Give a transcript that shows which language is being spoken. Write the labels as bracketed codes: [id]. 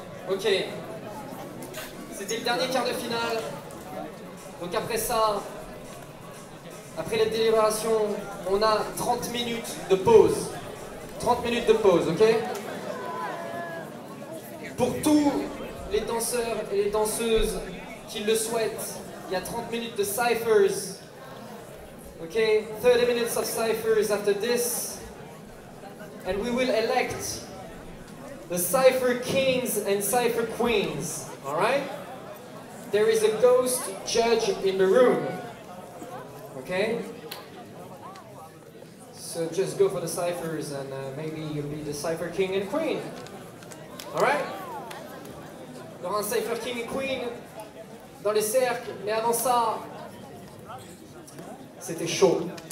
[fr] Ok, c'était le dernier quart de finale, donc après ça, après les délibérations, on a 30 minutes de pause, 30 minutes de pause, ok? Pour tous les danseurs et les danseuses qui le souhaitent, il y a 30 minutes de cyphers, ok? [en] 30 minutes of cyphers after this, and we will elect the Cypher Kings and Cypher Queens, alright? There is a ghost judge in the room, okay? So just go for the cyphers and maybe you'll be the Cypher King and Queen, alright? [fr] Il y aura un Cypher King et Queen dans les cercles, mais avant ça, c'était chaud.